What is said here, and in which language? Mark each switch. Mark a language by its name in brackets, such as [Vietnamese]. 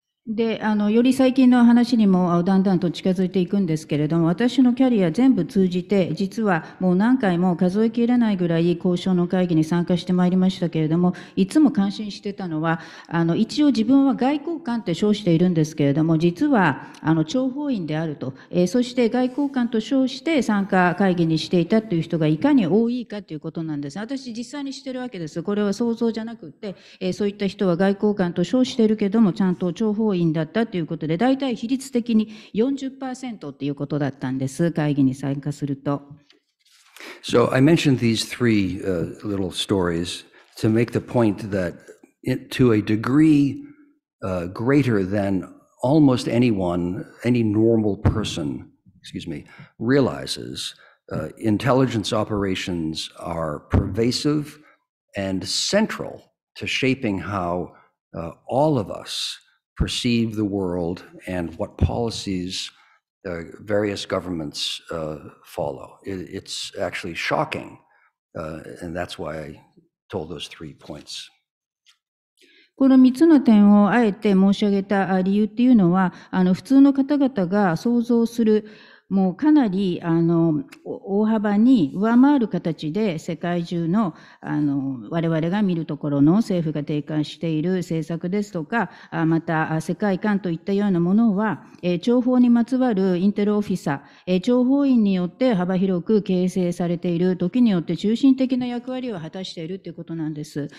[Japanese] でより最近の話にもだんだんと近づいていくんですけれども、私のキャリア全部通じて、実はもう何回も数えきれないぐらい交渉の会議に参加してまいりましたけれども、いつも感心してたのは、一応自分は外交官って称しているんですけれども、実は諜報員であると、そして外交官と称して参加会議にしていたという人がいかに多いかということなんです。私実際にしてるわけです。これは想像じゃなくて、そういった人は外交官と称しているけれども、ちゃんと諜報だったということで、大体比率的に 40% ということだったんです、会議に参加すると。 [English] So I mentioned these three little stories to make the point that it, to a degree greater than almost anyone, any normal person, excuse me, realizes, intelligence operations are pervasive and central to shaping how all of usperceive the world and what policies various governments follow. It's actually shocking, and that's why I told those three points. [Japanese] この3つの点をあえて申し上げた理由っていうのは、普通の方々が想像するもうかなり大幅に上回る形で、世界中の我々が見るところの政府が提案している政策ですとか、また世界観といったようなものは、諜報にまつわるインテルオフィサー、諜報員によって幅広く形成されている、時によって中心的な役割を果たしているということなんです。